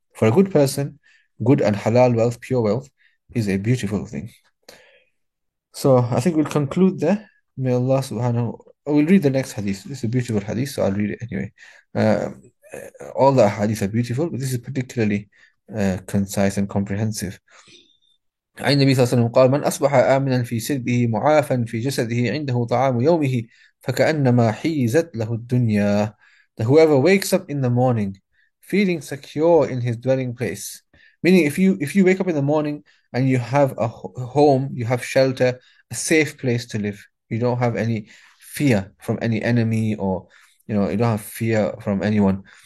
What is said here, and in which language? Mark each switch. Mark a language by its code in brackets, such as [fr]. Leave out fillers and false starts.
[en] For a good person, good and halal wealth, pure wealth, is a beautiful thing. So I think we'll conclude there. May Allah subhanahu wa ta'ala. We'll read the next hadith. This is a beautiful hadith, so I'll read it anyway. All the hadith are beautiful, but this is particularly concise and comprehensive. [ar] عن النبي صلى الله عليه وسلم قال من أصبح آمنا في سربه معافا في جسده عنده طعام يومه فكأنما حيزت له الدنيا. [en] That whoever wakes up in the morning feeling secure in his dwelling place. Meaning if you wake up in the morning and you have a home, you have shelter, a safe place to live. You don't have any fear from any enemy, or you know, you don't have fear from anyone.